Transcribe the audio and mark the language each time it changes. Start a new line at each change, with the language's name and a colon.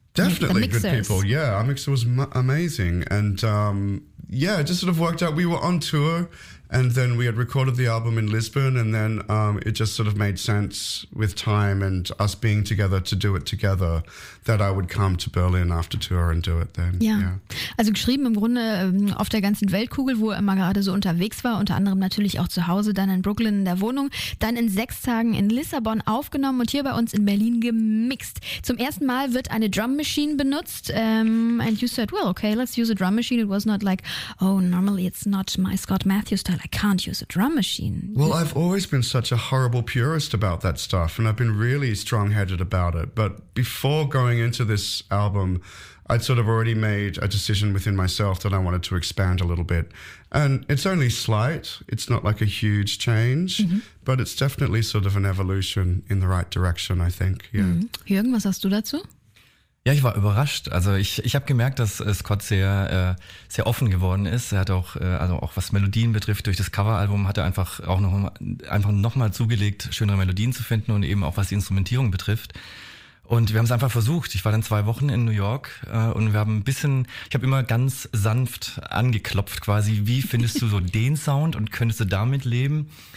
English: Definitely good people, yeah. Our mixer was amazing. And it just sort of worked out. We were on tour, and then we had recorded the album in Lisbon, and then it just sort of made sense with time and us being together to do it together that I would come to Berlin after tour and do it then.
German: Ja, also geschrieben im Grunde auf der ganzen Weltkugel, wo er immer gerade so unterwegs war, unter anderem natürlich auch zu Hause, dann in Brooklyn in der Wohnung, dann in 6 Tagen in Lissabon aufgenommen und hier bei uns in Berlin gemixt. Zum ersten Mal wird eine Drum Machine benutzt,
English: and you said, well, okay, let's use a drum machine. It was not like, oh, normally it's not my Scott Matthews style. I can't use a drum machine. Well, I've always been such a horrible purist about that stuff, and I've been really strong-headed about it. But before going into this album, I'd sort of already made a decision within myself that I wanted to expand a little bit. And it's only slight. It's not like a huge change, mm-hmm. but it's definitely sort of an evolution in the right direction, I think. Yeah.
German: Mm-hmm. Jürgen, was hast du dazu? Ja, ich war überrascht. Also ich habe gemerkt, dass Scott sehr sehr offen geworden ist. Er hat auch also auch was Melodien betrifft durch das Coveralbum hat er einfach auch noch einfach nochmal zugelegt, schönere Melodien zu finden und eben auch was die Instrumentierung betrifft. Und wir haben es einfach versucht. Ich war dann 2 Wochen in New York und wir haben ein bisschen, ich habe immer ganz sanft angeklopft quasi, wie findest du so den Sound und könntest du damit leben?